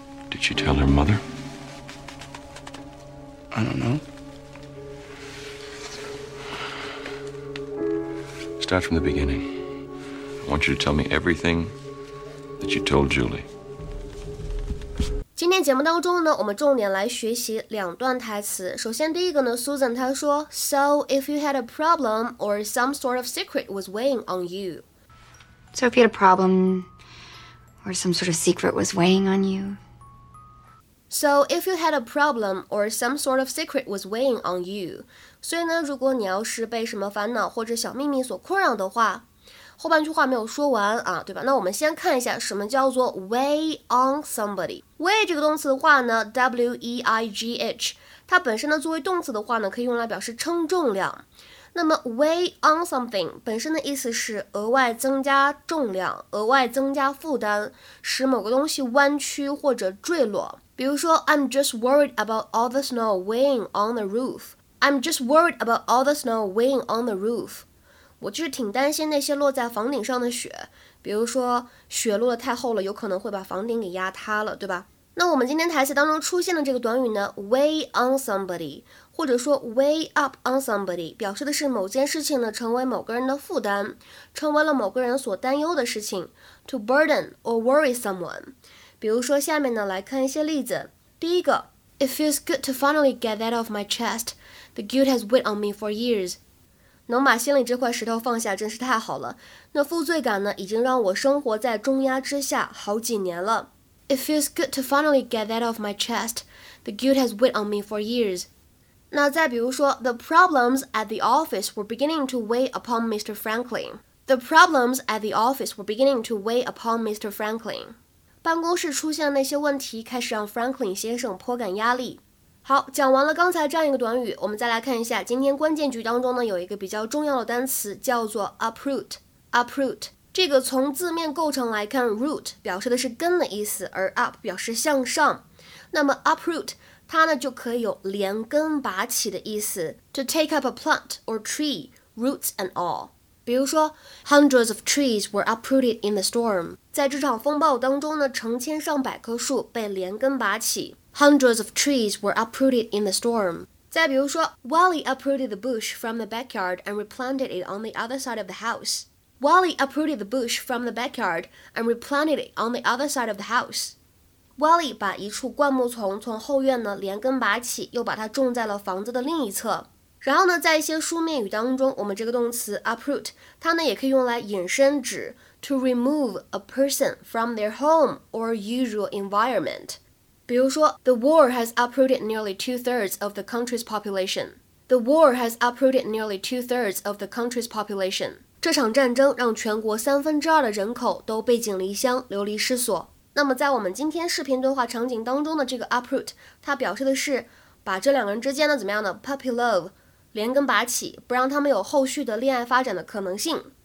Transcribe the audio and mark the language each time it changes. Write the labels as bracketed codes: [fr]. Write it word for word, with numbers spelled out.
[en] Did she tell her mother? I don't know. Start from the beginning. I want you to tell me everything that you told Julie. [zh] 今天节目当中呢，我们重点来学习两段台词。首先第一个呢 [en] Susan [zh] 她说 [en] So if you had a problem or some sort of secret was weighing on you. So if you had a problem or some sort of secret was weighing on you. So if you had a problem or some sort of secret was weighing on you [zh] 所以呢，如果你要是被什么烦恼或者小秘密所困扰的话，后半句话没有说完啊，对吧？那我们先看一下什么叫做 weigh on somebody。 weigh 这个动词的话呢 W E I G H 它本身呢作为动词的话呢，可以用来表示称重量。那么 weigh on something 本身的意思是额外增加重量，额外增加负担，使某个东西弯曲或者坠落。 [en] 比如说 I'm just worried about all the snow weighing on the roof. I'm just worried about all the snow weighing on the roof. [zh] 我就是挺担心那些落在房顶上的雪，比如说雪落得太厚了，有可能会把房顶给压塌了，对吧？那我们今天台词当中出现的这个短语呢 weigh on somebody 或者说 weigh up on somebody 表示的是某件事情呢成为某个人的负担，成为了某个人所担忧的事情 [en] to burden or worry someone。 [zh] 比如说下面呢来看一些例子。第一个 [en] It feels good to finally get that off my chest. The guilt has weighed on me for years. [zh] 能把心里这块石头放下真是太好了。那负罪感呢，已经让我生活在重压之下好几年了。 [en] It feels good to finally get that off my chest. The guilt has weighed on me for years. [zh] 那再比如说 [en] The problems at the office were beginning to weigh upon Mister Franklin. The problems at the office were beginning to weigh upon Mister Franklin. [zh] 办公室出现的那些问题开始让 Franklin 先生颇感压力。好，讲完了刚才这样一个短语，我们再来看一下今天关键句当中呢，有一个比较重要的单词叫做 uproot。 uproot 这个从字面构成来看 ，root 表示的是根的意思，而 up 表示向上。那么 uproot 它呢就可以有连根拔起的意思 ， [en] to take up a plant or tree, roots and all。 [zh] 比如说 [en] ，hundreds of trees were uprooted in the storm。 [zh] 在这场风暴当中呢，成千上百棵树被连根拔起。 [en] Hundreds of trees were uprooted in the storm. [zh] 再比如说 [en] Wally uprooted the bush from the backyard and replanted it on the other side of the house. Wally uprooted the bush from the backyard and replanted it on the other side of the house. [zh] Wally 把一处灌木丛从后院呢连根拔起，又把它种在了房子的另一侧。然后呢，在一些书面语当中，我们这个动词 uproot 它呢也可以用来引申指 [en] to remove a person from their home or usual environment。 [zh] 比如说 [en] The war has uprooted nearly two-thirds of the country's population. The war has uprooted nearly two-thirds of the country's population. [zh] 这场战争让全国三分之二的人口都背井离乡，流离失所。那么在我们今天视频对话场景当中的这个 uproot， 它表示的是把这两个人之间的怎么样呢 [en] puppy love [zh] 连根拔起，不让他们有后续的恋爱发展的可能性。